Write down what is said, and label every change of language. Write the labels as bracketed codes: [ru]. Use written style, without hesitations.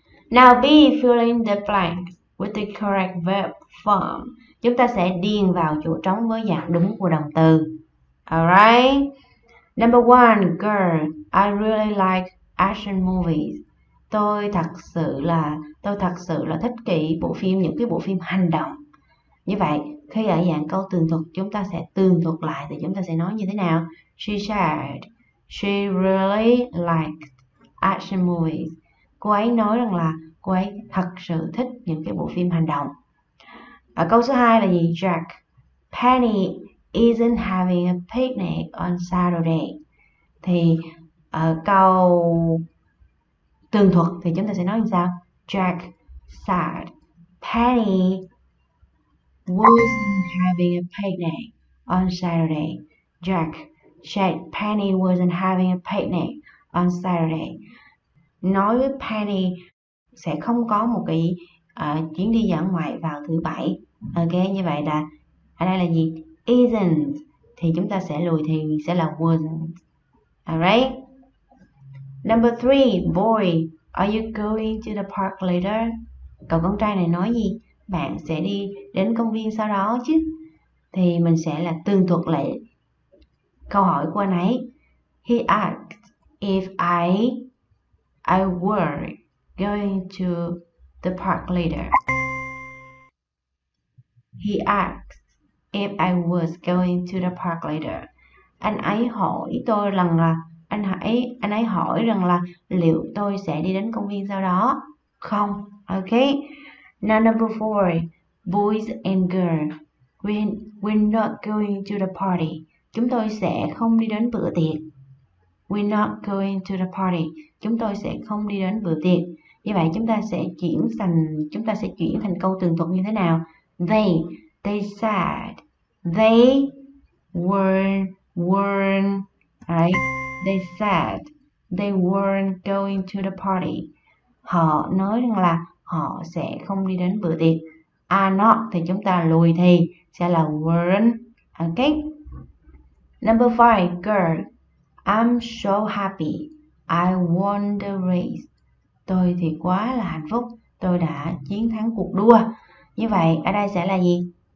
[en] Now B, fill in the blank with the correct verb form. [vi] Chúng ta sẽ điền vào chỗ trống với dạng đúng của động từ. [en] Alright. Number one, girl, I really like action movies. [vi] Tôi thật sự là thích kỹ bộ phim, những cái bộ phim hành động. Như vậy, khi ở dạng câu tường thuật, chúng ta sẽ tường thuật lại thì chúng ta sẽ nói như thế nào? [en] She said she really liked action movies. [vi] Cô ấy nói rằng là cô ấy thật sự thích những cái bộ phim hành động. Ở câu số 2 là gì? [en] Jack, Penny isn't having a picnic on Saturday. [vi] Thì ở câu tường thuật thì chúng ta sẽ nói như sao? [en] Jack said Penny wasn't having a picnic on Saturday. Jack said Penny wasn't having a picnic on Saturday. [vi] Nói với Penny sẽ không có một cái chuyến đi dã ngoại vào thứ bảy. Ok, như vậy là ở đây là gì? Isn't thì chúng ta sẽ lùi thì sẽ là wasn't. [en] Alright. Number three, boy, are you going to the park later? [vi] Cậu con trai này nói gì? Bạn sẽ đi đến công viên sau đó chứ? Thì mình sẽ là tương thuật lại câu hỏi của anh ấy. [en] He asked if I were going to the park later. He asked if I was going to the park later. [vi] Anh ấy hỏi tôi rằng là anh ấy hỏi rằng là liệu tôi sẽ đi đến công viên sau đó không. [en] Ok. Now number four, boys and girls, we're not going to the party. [vi] Chúng tôi sẽ không đi đến bữa tiệc. [en] We're not going to the party. [vi] Chúng tôi sẽ không đi đến bữa tiệc. Như vậy chúng ta sẽ chuyển thành câu tường thuật như thế nào? [en] They said they weren't, right? They said they weren't going to the party. [vi] Họ nói rằng là họ sẽ không đi đến bữa tiệc. Are not thì chúng ta lùi thì sẽ là weren't. [en] Ok. Number five, girl, I'm so happy I won the race. [vi] Tôi thì quá là hạnh phúc, tôi đã chiến thắng cuộc đua. Như vậy ở đây sẽ là gì?